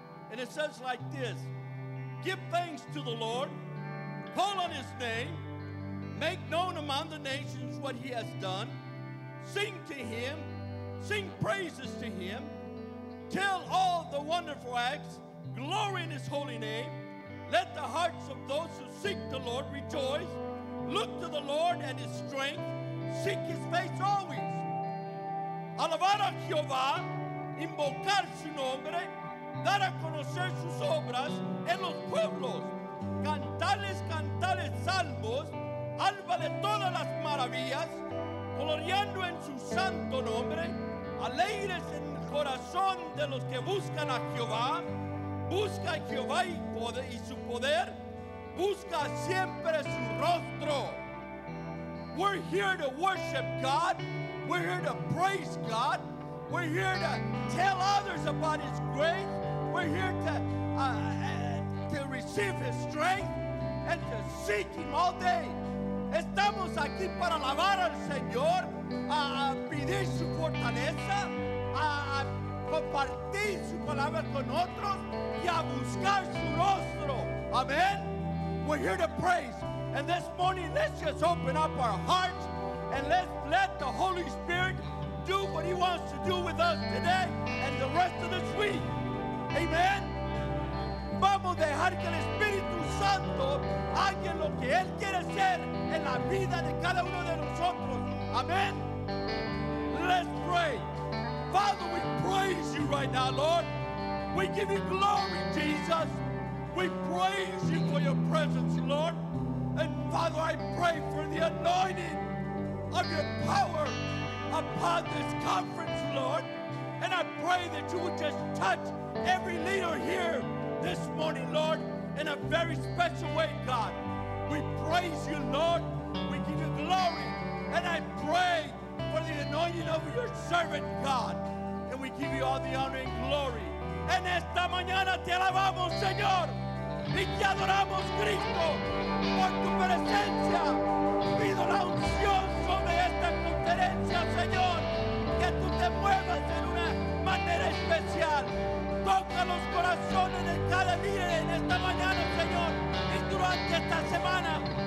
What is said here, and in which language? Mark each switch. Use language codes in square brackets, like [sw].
[en] And it says like this: Give thanks to the Lord, call on His name, make known among the nations what He has done, sing to Him, sing praises to Him, tell all the wonderful acts, glory in His holy name. Let the hearts of those who seek the Lord rejoice. Look to the Lord and His strength. Seek His face always. [es] Alabar a Jehová, invocar su nombre, dar a conocer sus obras en los pueblos. Cantarles, cantarles salmos, alba de todas las maravillas, gloriando en su santo nombre, alegres en el corazón de los que buscan a Jehová. Busca a Jehová y, poder, y su poder. Busca siempre su rostro. [en] We're here to worship God. We're here to praise God. We're here to tell others about His grace. We're here to receive His strength and to seek Him all day. [es] Estamos aquí para alabar al Señor, a pedir su fortaleza, a compartir su palabra con otros y a buscar su rostro. [en] Amen. We're here to praise. And this morning, let's just open up our hearts and let's let the Holy Spirit do what He wants to do with us today and the rest of this week. Amen. [es] Vamos a dejar que el Espíritu Santo haga lo que Él quiere hacer en la vida de cada uno de nosotros. [en] Amen. Let's pray. Father, we praise You right now, Lord. We give You glory, Jesus. We praise You for Your presence, Lord. And Father, I pray for the anointing of Your power upon this conference, Lord. And I pray that You would just touch every leader here this morning, Lord, in a very special way, God. We praise You, Lord. We give You glory. And I pray for the anointing of Your servant, God. And we give You all the honor and glory. [es] En esta mañana te alabamos, Señor, y te adoramos, Cristo, por tu presencia. Pido la unción sobre esta conferencia, Señor, que tú te muevas de una manera especial. Toca los corazones de cada día en esta mañana, Señor, y durante esta semana.